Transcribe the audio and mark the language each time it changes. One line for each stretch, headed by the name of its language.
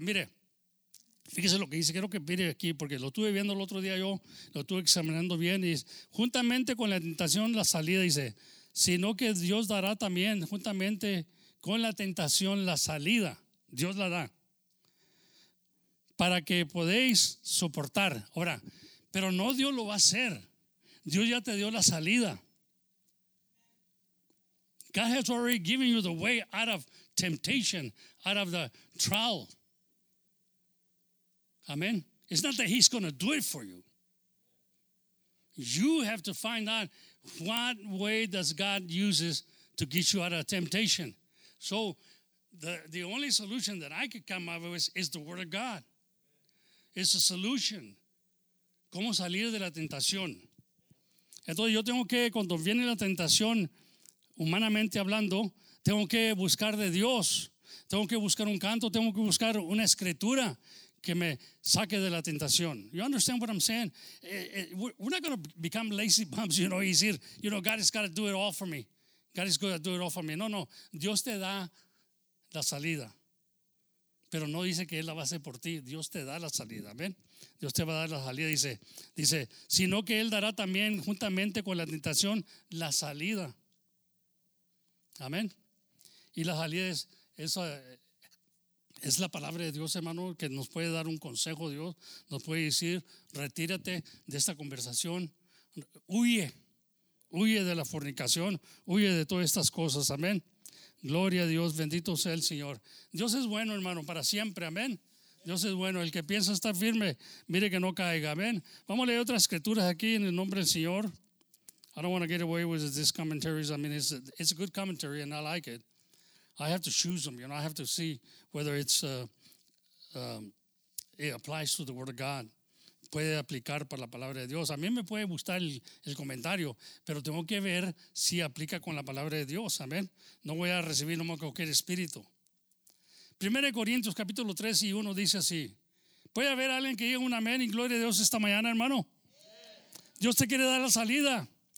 Spanish: Mire, fíjese lo que dice, quiero que mire aquí, porque lo estuve viendo el otro día yo, lo estuve examinando bien, y juntamente con la tentación la salida, dice, sino que Dios dará también juntamente con la tentación la salida. Dios la da para que podéis soportar. Ahora, pero no Dios lo va a hacer. Dios ya te dio la salida.
English: God has already given you the way out of temptation, out of the trial. Amen. It's not that he's going to do it for you. You have to find out what way does God uses to get you out of temptation. So the only solution that I could come up with is the word of God. It's a solution.
Spanish: ¿Cómo salir de la tentación? Entonces yo tengo que, cuando viene la tentación, humanamente hablando, tengo que buscar de Dios. Tengo que buscar un canto, tengo que buscar una escritura que me saque de la tentación.
English: You understand what I'm saying? We're not going to become lazy bums, you know, easier. You know, God has got to do it all for me. God is going to do it all for me. No, no.
Spanish: Dios te da la salida. Pero no dice que Él la va a hacer por ti. Dios te da la salida. Amén. Dios te va a dar la salida. Dice, sino que Él dará también juntamente con la tentación la salida. Amén. Y la salida es esa. Es la palabra de Dios, hermano, que nos puede dar un consejo. Dios nos puede decir, retírate de esta conversación, huye de la fornicación, huye de todas estas cosas, amén. Gloria a Dios, bendito sea el Señor. Dios es bueno, hermano, para siempre, amén. Dios es bueno, el que piensa estar firme, mire que no caiga, amén. Vamos a leer otras escrituras aquí en el nombre del Señor.
English: I don't want to get away with this commentary, I mean, it's a good commentary and I like it. I have to choose them, you know, I have to see whether it applies to the word of God.
Spanish: Puede aplicar para la palabra de Dios. A mí me puede gustar el comentario, pero tengo que ver si aplica con la palabra de Dios, amén. No voy a recibir nomás cualquier espíritu. 1 Corintios capítulo 3 y 1 dice así. ¿Puede haber alguien que diga un amén y gloria a Dios esta mañana, hermano? Dios te quiere dar la salida.